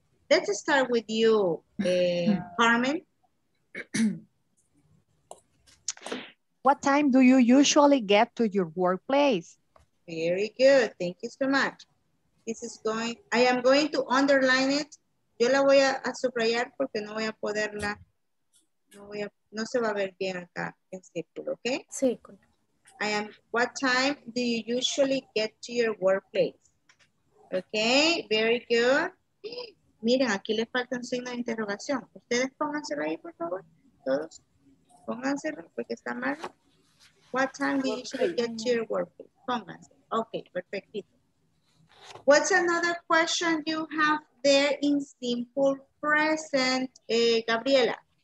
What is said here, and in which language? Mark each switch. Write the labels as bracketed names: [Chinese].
[English] Let's start with you, Carmen. What time do you usually get to your workplace? Very good. Thank you so much. This is going, I am going to underline it. [Spanish] Yo la voy a subrayar porque no voy a poderla, no se va a ver bien acá en círculo, okay? Círculo. [English] I am, what time do you usually get to your workplace? Okay, very good. [Spanish] Miren, aquí le falta un signo de interrogación. Ustedes pónganselo ahí, por favor, todos. Pónganselo porque está mal. [English] What time do you usually get to your workplace? [Spanish] Pónganselo. [English] Okay, [Spanish] perfectito. [English] What's another question you have there in simple present, Gabriela?